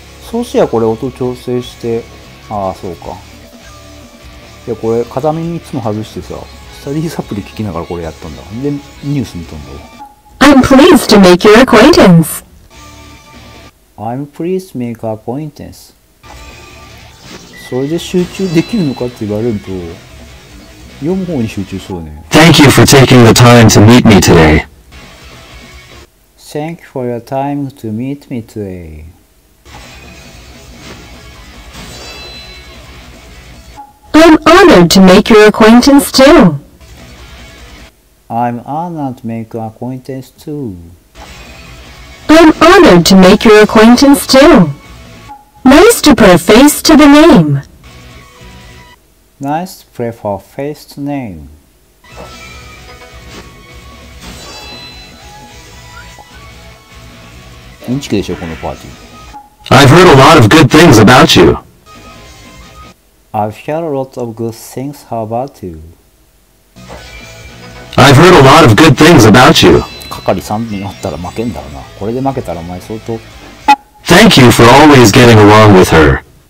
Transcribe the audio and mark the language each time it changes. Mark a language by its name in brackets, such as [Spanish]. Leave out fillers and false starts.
[Japanese] そうしやこれ音調整して、ああ、そうか。いや、これ片耳いつも外してさ、スタディサプリ聞きながらこれやったんだ。で、ニュース見たんだわ。 [English] I'm pleased to make your acquaintance. I'm pleased to make your acquaintance. [Japanese] それで集中できるのかって言われると読む方に集中そうね [English] Thank you for taking the time to meet me today Thank you for your time to meet me today. I'm honored to make your acquaintance too. I'm honored to make your acquaintance too. I'm honored to make your acquaintance too. Nice to put a face to the name. Nice to put a face to name. [Japanese] インチキでしょ、このパーティー。 [English] I've heard a lot of good things about you. I've heard a lot of good things about you. I've heard a lot of good things about you. [Japanese] 係3になったら負けんだろうな。これで負けたらお前相当。 [English] Thank you for always getting along with her.